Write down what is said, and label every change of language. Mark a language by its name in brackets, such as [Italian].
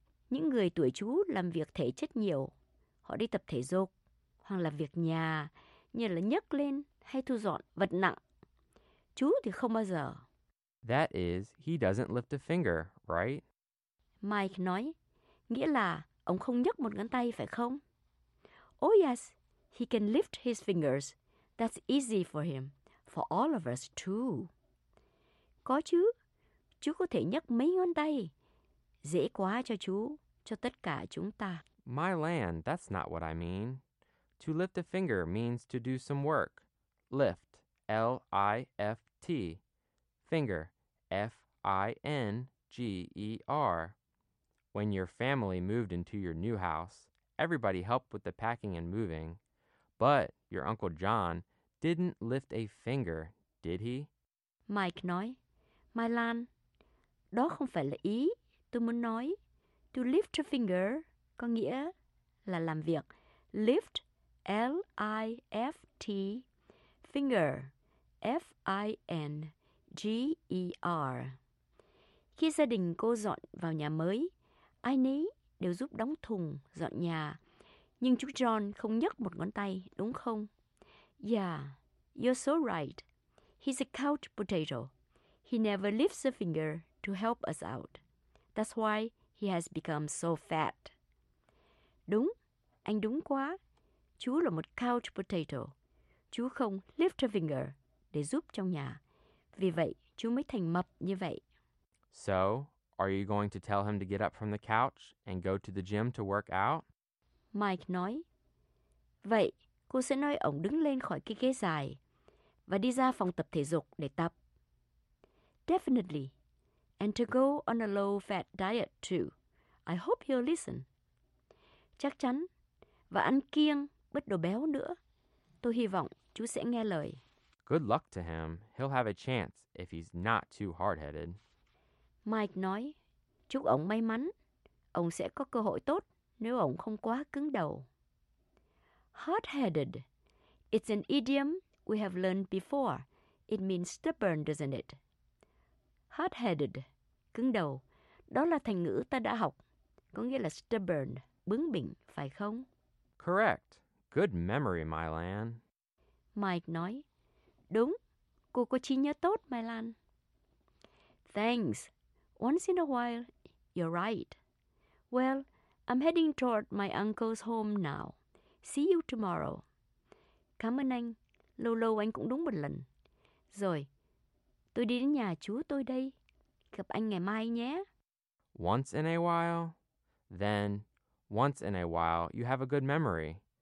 [Vietnamese] Những người tuổi chú làm việc thể chất nhiều. Họ đi tập thể dục, hoặc là việc nhà, như là nhấc lên hay thu dọn vật nặng. Chú thì không bao giờ. [English] That is, he doesn't lift a finger, right? [Vietnamese] Mike nói, nghĩa là ông không nhấc một ngón tay, phải không? [English] Oh yes, he can lift his fingers. That's easy for him, for all of us too. [Vietnamese] Có chứ, chú có thể nhấc mấy ngón tay. Dễ quá cho chú, cho tất cả chúng ta. [English] Mylan, that's not what I mean. To lift a finger means to do some work. Lift, L-I-F-T. Finger, F-I-N-G-E-R. When your family moved into your new house, Everybody helped with the packing and moving. But your Uncle John didn't lift a finger, did he? [Vietnamese] Mike nói, Mai Lan, đó không phải là ý tôi muốn nói. [English] To lift a finger [Vietnamese] có nghĩa là làm việc. [English] Lift, L-I-F-T, finger, F-I-N-G-E-R. [Vietnamese] Khi gia đình cô dọn vào nhà mới, ai nấy đều giúp đóng thùng, dọn nhà. Nhưng chú John không nhấc một ngón tay, đúng không? [English] Yeah, you're so right. He's a couch potato. He never lifts a finger to help us out. That's why he has become so fat. [Vietnamese] Đúng, anh đúng quá. Chú là một [English] couch potato. [Vietnamese] Chú không [English] lift a finger [Vietnamese] để giúp trong nhà. Vì vậy, chú mới thành mập như vậy. [English] So, are you going to tell him to get up from the couch and go to the gym to work out? [Vietnamese] Mike nói, vậy, cô sẽ nói ông đứng lên khỏi cái ghế dài và đi ra phòng tập thể dục để tập. [English] Definitely. And to go on a low-fat diet too. I hope he'll listen. [Vietnamese] Chắc chắn. Và ăn kiêng, bớt đồ béo nữa. Tôi hy vọng chú sẽ nghe lời. [English] Good luck to him. He'll have a chance if he's not too hard-headed. [Vietnamese] Mike nói, chúc ông may mắn. Ông sẽ có cơ hội tốt nếu ông không quá cứng đầu. [English] Hard-headed. It's an idiom we have learned before. It means stubborn, doesn't it? Hard-headed. [Vietnamese] Cứng đầu. Đó là thành ngữ ta đã học. Có nghĩa là stubborn, bướng bỉnh, phải không? [English] Correct. Good memory, Mylan. [Vietnamese] Mike nói, đúng. Cô có trí nhớ tốt, Mylan. [English] Thanks. Once in a while, you're right. Well, I'm heading toward my uncle's home now. See you tomorrow. [Vietnamese] Cảm ơn anh. Lâu lâu anh cũng đúng một lần. Rồi, tôi đi đến nhà chú tôi đây. Gặp anh ngày mai nhé. [English] Once in a while, then once in a while, you have a good memory.